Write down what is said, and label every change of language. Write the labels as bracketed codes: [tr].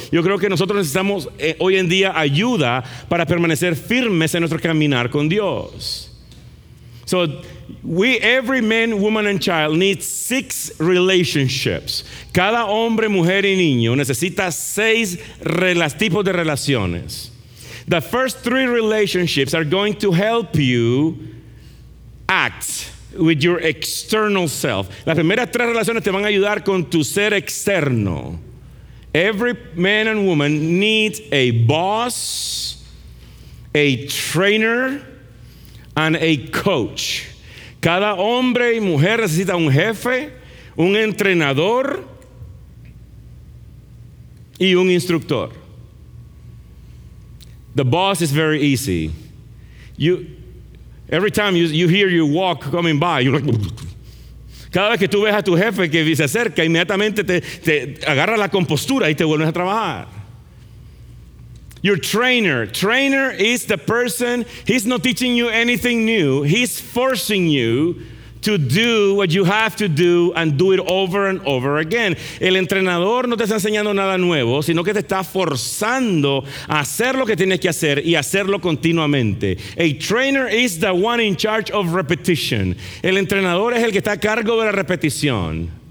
[es] Yo creo que nosotros necesitamos hoy en día ayuda para permanecer firmes en nuestro caminar con Dios. [en] So, every man, woman, and child needs 6 relationships. [es] Cada hombre, mujer, y niño necesita 6 tipos de relaciones. [en] The first 3 relationships are going to help you act with your external self. [es] Las primeras 3 relaciones te van a ayudar con tu ser externo. [en] Every man and woman needs a boss, a trainer, and a coach. [es] Cada hombre y mujer necesita un jefe, un entrenador y un instructor. [en] The boss is very easy. Every time you hear your walk coming by, you're like... [es] Cada vez que tú ves a tu jefe que se acerca, inmediatamente te agarra la compostura y te vuelves a trabajar. [en] Your trainer. Trainer is the person, he's not teaching you anything new. He's forcing you to do what you have to do and do it over and over again. [es] El entrenador no te está enseñando nada nuevo, sino que te está forzando a hacer lo que tienes que hacer y hacerlo continuamente. [en] A trainer is the one in charge of repetition. [es] El entrenador es el que está a cargo de la repetición.